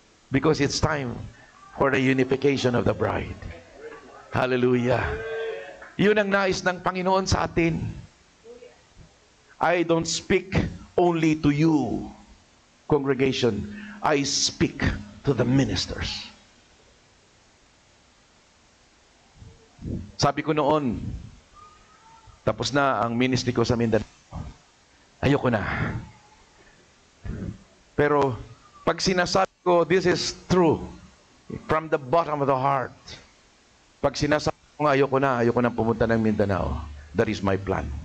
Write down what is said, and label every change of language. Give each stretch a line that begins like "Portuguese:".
English: Because it's time for the unification of the bride. Hallelujah.
Filipino: Yun ang nais ng Panginoon sa atin.
English: I don't speak only to you, congregation. I speak to the ministers.
Filipino: Sabi ko noon, tapos na ang ministry ko sa Mindanao. Ayoko na. Pero pag sinasabi ko,
English: this is true, from the bottom of the heart,
Filipino: pag sinasabi ko, ayoko na pumunta ng Mindanao,
English: that is my plan.